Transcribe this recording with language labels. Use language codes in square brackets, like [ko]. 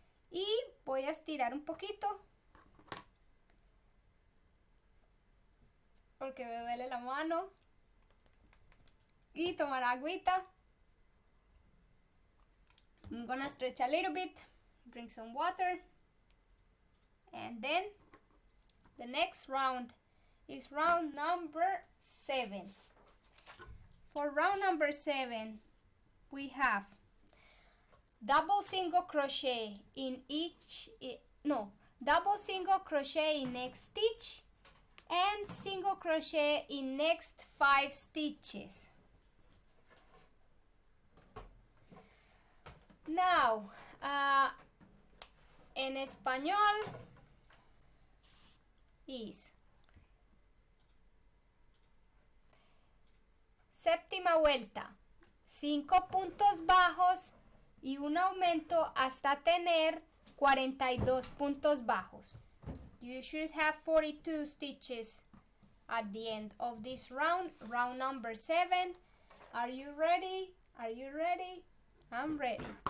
[es] Y voy a estirar un poquito porque me duele la mano. Y tomar agüita. [en] I'm gonna stretch a little bit, drink some water, and then the next round is round number 7. For round number 7, we have double single crochet in each, no, double single crochet in next stitch, and single crochet in next 5 stitches. [es] Now, en español is séptima vuelta, 5 puntos bajos y un aumento hasta tener 42 puntos bajos. [en] You should have 42 stitches at the end of this round, round number 7. Are you ready? Are you ready? I'm ready.